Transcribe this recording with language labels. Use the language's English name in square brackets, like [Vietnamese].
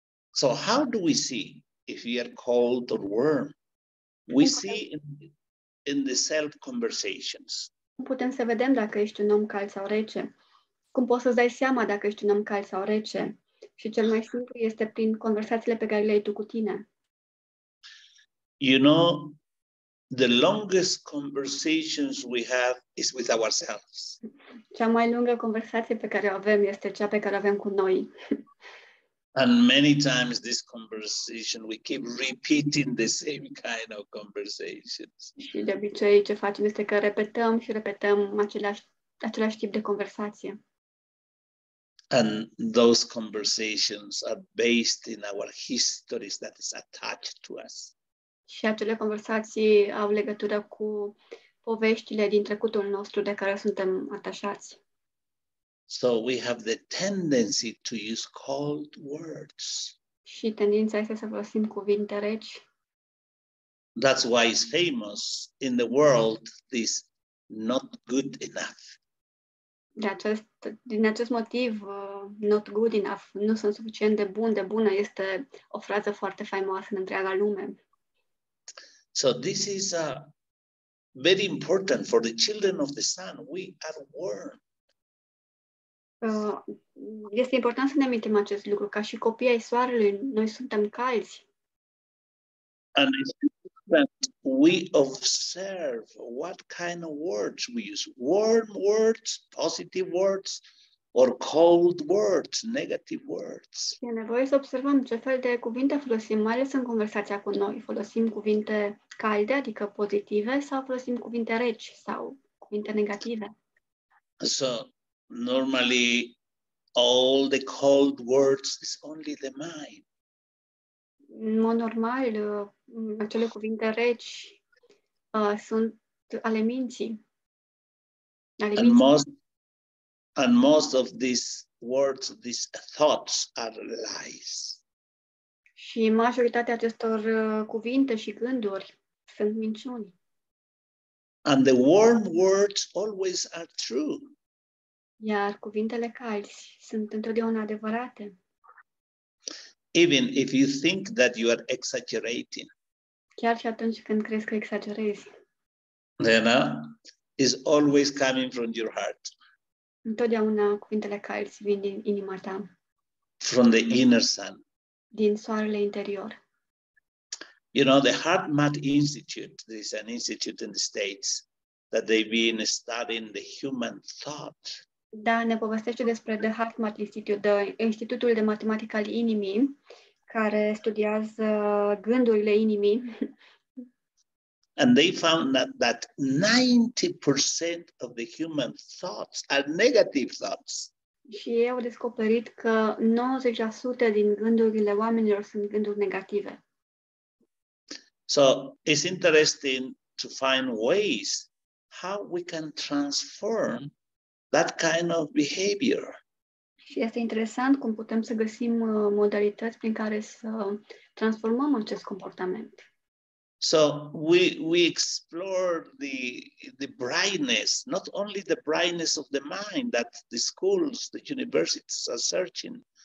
[English] So how do we see if we are cold or warm? We see in the self conversations. [Romanian] Cum putem să vedem dacă ești un om cald sau rece? Cum poți să-ți dai seama dacă ești un om cald sau rece? Și cel mai simplu este prin conversațiile pe care le ai tu cu tine. [English] You know, the longest conversations we have is with ourselves. [Romanian] Cea mai lungă conversație pe care o avem este cea pe care o avem cu noi. [English] And many times this conversation, we keep repeating the same kind of conversations. [Romanian] Și de obicei ce facem este că repetăm și repetăm același tip de conversație. [English] And those conversations are based in our histories that is attached to us. [Romanian] Și acele conversații au legătură cu poveștile din trecutul nostru de care suntem atașați. [English] So we have the tendency to use cold words. [Romanian] Și tendința este să folosim cuvinte reci. [English] That's why it's famous in the world this not good enough. [Romanian] Din acest motiv, [English] not good enough, [Romanian] nu sunt suficient de bun, de bună, este o frază foarte faimoasă în întreaga lume. [English] So this is very important for the children of the sun. We are warm. [Romanian] Este important să ne amintim acest lucru, ca și copii ai soarelui, noi suntem calzi. [English] And it's important we observe what kind of words we use. Warm words, positive words, or cold words, negative words. [Romanian] E nevoie să observăm ce fel de cuvinte folosim, mai ales în conversația cu noi. Folosim cuvinte calde, adică pozitive, sau folosim cuvinte reci, sau cuvinte negative. [English] So, normally, all the cold words is only the mind. [Romanian] În mod normal, acele cuvinte reci sunt ale minții. [English] And most of these words, these thoughts, are lies. [Romanian] Și majoritatea acestor cuvinte și gânduri sunt minciuni. [English] And the warm words always are true. [Romanian] Iar cuvintele calzi sunt întotdeauna adevărate. [English] Even if you think that you are exaggerating. [Romanian] Chiar și atunci când crezi că exagerezi. [English] Then is always coming from your heart. [Romanian] Întotdeauna cuvintele calzi vin din inima ta. [English] From the inner sun. [Romanian] Din soarele interior. [English] You know, the HeartMath Institute, this is an institute in the States, that they've been studying the human thought. [Romanian] Da, ne povestește despre The HeartMath Institute, Institutul de Matematică al Inimii, care studiază gândurile inimii. [English] And they found that 90% of the human thoughts are negative thoughts. [Romanian] Și ei au descoperit că 90% din gândurile oamenilor sunt gânduri negative. [English] So it's interesting to find ways how we can transform that kind of behavior. [Romanian] Și este interesant cum putem să găsim modalități prin care să transformăm acest comportament. [English] So we explore the brightness, not only the brightness of the mind that the schools, the universities are searching.